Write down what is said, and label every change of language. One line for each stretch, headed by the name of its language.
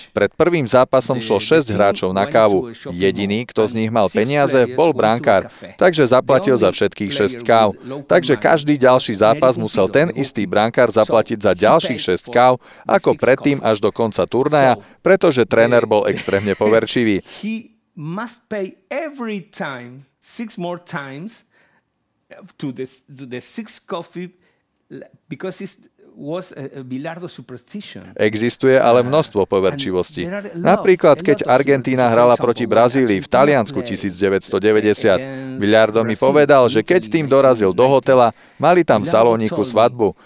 Slovak: Pred prvým zápasom šlo 6 hráčov na kávu. Jediný, kto z nich mal peniaze, bol brankár, takže zaplatil za všetkých 6 káv. Takže každý ďalší zápas musel ten istý brankár zaplatiť za ďalších 6 káv, ako predtým až do konca turnaja, pretože tréner bol extrémne poverčivý.
English: Must pay every time 6 more times to the 6 coffee because it was a Bilardo superstition.
Slovak: Existuje ale množstvo poverčivosti. Napríklad keď Argentína hrala proti Brazílii v Taliansku 1990, Bilardo mi povedal, že keď tým dorazil do hotela, mali tam v salóniku svadbu.